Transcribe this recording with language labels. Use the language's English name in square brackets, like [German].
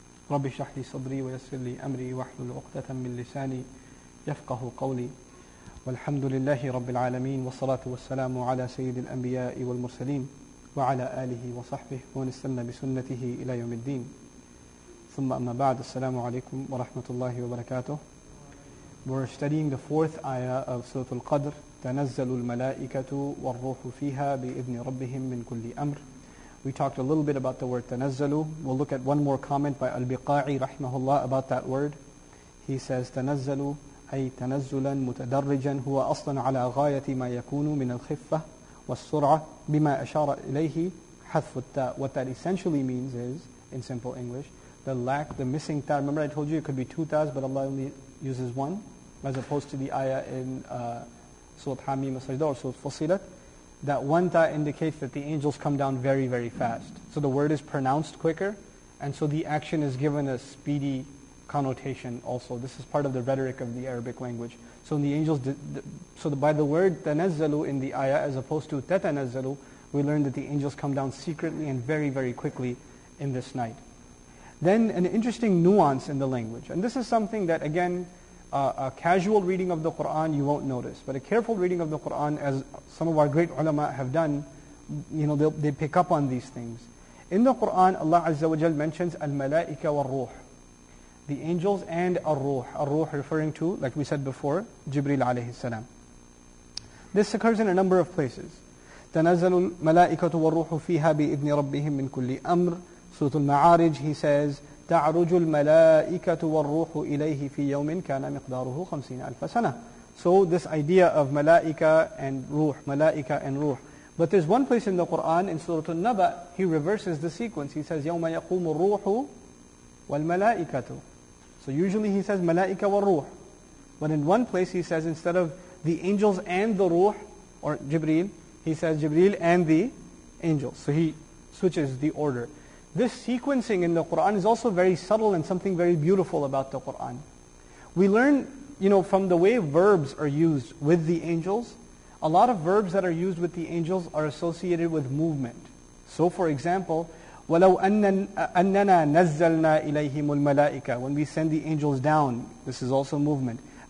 [Arabic] رب اشرح لي صدري ويسر لي أمري واحلل عقدة من لساني يفقه قولي والحمد لله رب العالمين والصلاة والسلام على سيد الأنبياء والمرسلين وعلى آله وصحبه ومن استنى بسنته إلى يوم الدين ثم أما بعد السلام عليكم ورحمة الله وبركاته. [English] We're studying the fourth ayah of Surah Al-Qadr. [Arabic] تنزل الملائكة والروح فيها بإذن ربهم من كل أمر. [English] We talked a little bit about the word تنزل. We'll look at one more comment by Al-Biqa'i رحمه الله about that word. He says [Arabic] تنزل أي تنزلا متدرجا هو أصلا على غاية ما يكون من الخفة والسرعة بما أشار إليه حذف التاء. [English] What that essentially means is, in simple English, the lack, the missing ta. Remember I told you it could be two ta's, but Allah only uses one, as opposed to the ayah in Surah Hamim Sajda or Surah Fusilat. That one ta indicates that the angels come down very, very fast. So the word is pronounced quicker, and so the action is given a speedy connotation also. This is part of the rhetoric of the Arabic language. So in the angels, by the word tanazzalu in the ayah, as opposed to tatanazzalu, we learn that the angels come down secretly and very, very quickly in this night. Then an interesting nuance in the language. And this is something that, again, a casual reading of the Qur'an you won't notice. But a careful reading of the Qur'an, as some of our great ulama have done, you know, they pick up on these things. In the Qur'an, Allah Azza wa Jal mentions al-malaika wal-ruh, the angels and al-ruh. Al-ruh referring to, like we said before, Jibreel alayhi salam. This occurs in a number of places. [Arabic] تَنَزَّلُ الْمَلَائِكَةُ وَالْرُوحُ فِيهَا بِإِذْنِ رَبِّهِمْ مِنْ كُلِّ أَمْرٍ [English] Surah Al-Ma'arij, he says, [Arabic] تَعْرُجُ الْمَلَائِكَةُ وَالْرُوحُ إِلَيْهِ فِي يَوْمٍ كَانَ مِقْدَارُهُ [English] 50,000 years. So this idea of malaika and ruh. But there's one place in the Qur'an, in Surah Al-Naba, he reverses the sequence. He says, [Arabic] يَوْمَ يَقُومُ الْرُوحُ وَالْمَلَائِكَةُ. [English] So usually he says, malaika wal-ruh. But in one place he says, instead of the angels and the ruh, or Jibreel, he says, Jibreel and the angels. So he switches the order. This sequencing in the Qur'an is also very subtle and something very beautiful about the Qur'an. We learn, you know, from the way verbs are used with the angels, a lot of verbs that are used with the angels are associated with movement. So for example, [Arabic] وَلَوْ أَنَّنَا نَزَّلْنَا إِلَيْهِمُ الْمَلَائِكَ. [English] When we send the angels down, this is also movement.